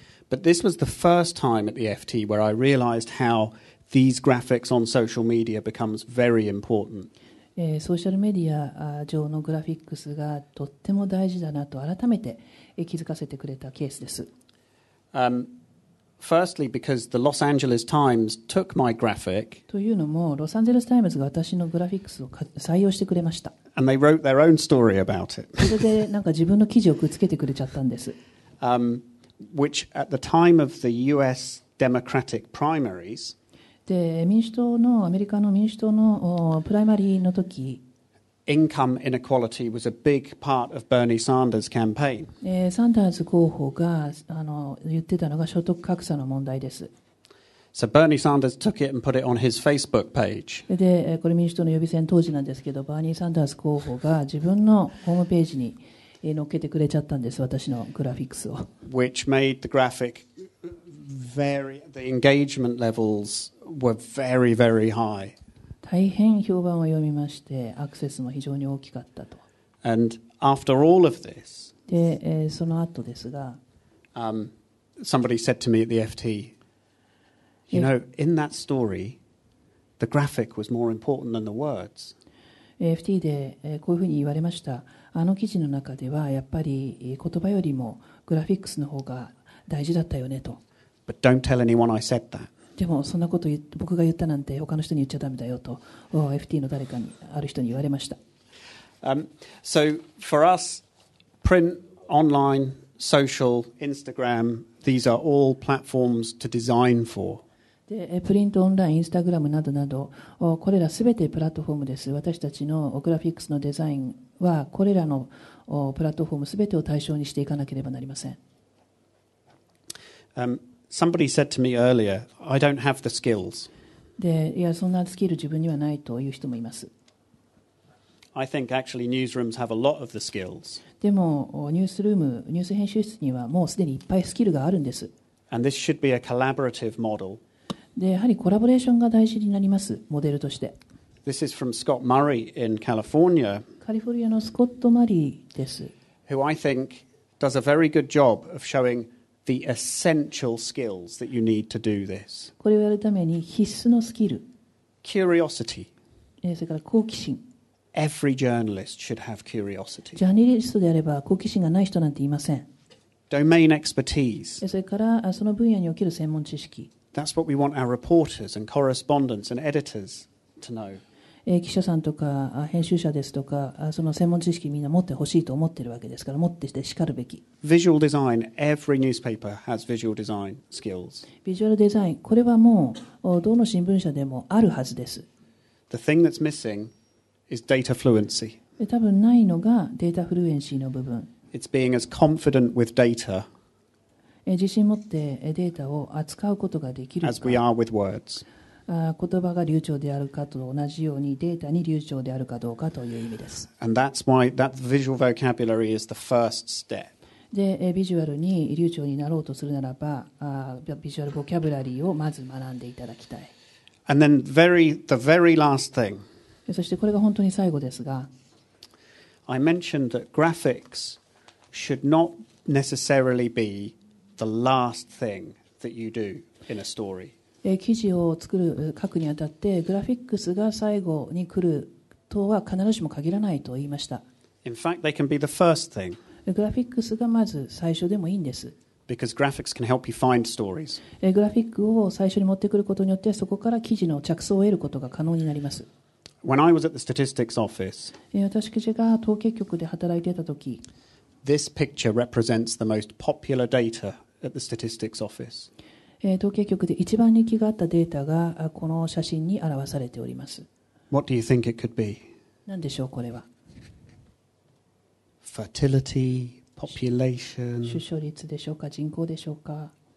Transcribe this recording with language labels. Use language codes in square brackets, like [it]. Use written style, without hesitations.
[en] But this was the first time at the FT where I realized how these graphics on social media becomes very important. [ja] ソーシャルメディア上のグラフィックスがとっても大事だなと改めて気づかせてくれたケースです。 [en] Firstly, because the Los Angeles Times took my graphic. [ja] というのも、ロサンゼルスタイムズが私のグラフィックスを採用してくれました。 [en] And they wrote their own story about it. [ja] それでなんか自分の記事をくっつけてくれちゃったんです。 [en] Which at the time of the U.S. Democratic primaries. [ja] で、民主党のアメリカの民主党のプライマリーの時。 [en] Income inequality was a big part of Bernie Sanders' campaign. [ja] サンダーズ候補が言ってたのが所得格差の問題です。 [en] So Bernie Sanders took it and put it on his Facebook page. [ja] で、これ民主党の予備選当時なんですけど、バーニー・サンダース候補が自分のホームページに載っけてくれちゃったんです、私のグラフィックスを。 [en] Which made the graphic very, the engagement levels were very, very high. [ja] 大変評判を読みまして、アクセスも非常に大きかったと。 [en] And after all of this, [ja] で、その後ですが、 [en] somebody said to me at the FT, you know, in that story, the graphic was more important than the words. [ja] FT でこういうふうに言われました。あの記事の中ではやっぱり言葉よりもグラフィックスの方が大事だったよねと。 [en] But don't tell anyone I said that. [ja] でもそんなこと僕が言ったなんて他の人に言っちゃダメだよと FT の誰かにある人に言われました。 [en] So for us, print, online, social, Instagram, these are all platforms to design for. [ja] で、プリント、オンライン、インスタグラムなどなど、これらすべてプラットフォームです。私たちのグラフィックスのデザインはこれらのプラットフォームすべてを対象にしていかなければなりません。 [en] Somebody said to me earlier, I don't have the skills. [ja] で、いや、そんなスキル自分にはないという人もいます。 [en] I think actually newsrooms have a lot of the skills. [ja] でも、ニュースルーム、ニュース編集室にはもうすでにいっぱいスキルがあるんです。 [en] And this should be a collaborative model. [ja] で、やはりコラボレーションが大事になります、モデルとして。 [en] This is from Scott Murray in California. [ja] カリフォルニアのスコット・マリーです。 [en] Who I think does a very good job of showingThe essential skills that you need to do this. [ja] これをやるために必須のスキル。 [en] Curiosity. [ja] それから好奇心。 [en] Every journalist should have curiosity. [ja] ジャーナリストであれば好奇心がない人なんていません。 [en] Domain expertise. [ja] それからその分野における専門知識。 [en] That's what we want our reporters and correspondents and editors to know. [ja] 記者さんとか編集者ですとかその専門知識みんな持ってほしいと思ってるわけですから持ってして叱るべき。 [en] Visual design, every newspaper has visual design skills. [ja] ビジュアルデザイン、これはもうどの新聞社でもあるはずです。 [en] The thing that's missing is data fluency. [ja] 多分ないのがデータフルエンシーの部分。 [en] It's being as confident with data. [ja] 自信持ってデータを扱うことができるか。 [en] As we are with words. [ja] 言葉が流暢であるかと同じようにデータに流暢であるかどうかという意味です。 [en] And that's why that visual vocabulary is the first step. [ja] で、ビジュアルに流暢になろうとするならば、ビジュアルボキャブラリーをまず学んでいただきたい。 [en] And then the very last thing. [ja] そしてこれが本当に最後ですが、 [en] I mentioned that graphics should not necessarily be the last thing that you do in a story. [ja] 記事を作る書くにあたってグラフィックスが最後に来るとは必ずしも限らないと言いました。 [en] In fact, they can be the first thing. [ja] グラフィックスがまず最初でもいいんです。 [en] Because graphics can help you find stories. [ja] グラフィックを最初に持ってくることによってそこから記事の着想を得ることが可能になります。 [en] When I was at the statistics office, [ja] 私記事が統計局で働いていた時、 [en] This picture represents the most popular data at the statistics office. [ja] 統計局で一番人気があったデータがこの写真に表されております。 [en] What do you think it could be? [ja] 何でしょうこれは。 [en] Fertility, population. [ja] 出生率でしょうか人口でしょうか。